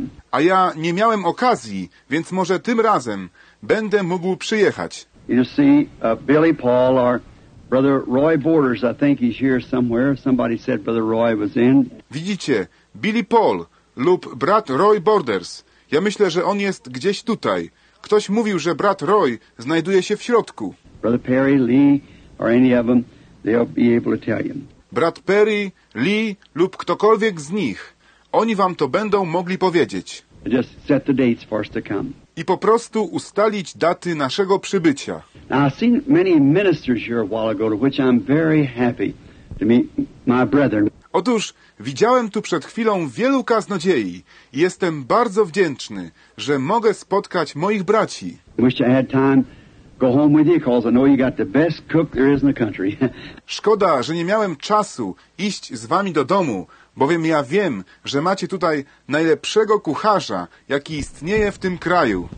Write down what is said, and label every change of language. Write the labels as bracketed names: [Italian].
[Polish] A ja nie miałem okazji, więc może tym razem będę mógł przyjechać. [English] You see, Billy Paul or Brother Roy Borders, I think he's here somewhere. Somebody said Brother Roy was in. [Polish] Widzicie, Billy Paul lub brat Roy Borders. Ja myślę, że on jest gdzieś tutaj. Ktoś mówił, że brat Roy znajduje się w środku. [English] Brother Perry, Lee, or any of them, they'll be able to tell you. [Polish] Brat Perry, Lee lub ktokolwiek z nich, oni wam to będą mogli powiedzieć. [English] Just set the dates for us to come. [Polish] I po prostu ustalić daty naszego przybycia. [English] Now, I've seen many ministers here a while ago, to which I'm very happy to meet my brethren. [Polish] Otóż widziałem tu przed chwilą wielu kaznodziei. Jestem bardzo wdzięczny, że mogę spotkać moich braci. [English] Wish I had time to go home with you, because I know you got the best cook there is in the country. [Polish] Szkoda, że nie miałem czasu iść z wami do domu, bowiem ja wiem, że macie tutaj najlepszego kucharza, jaki istnieje w tym kraju.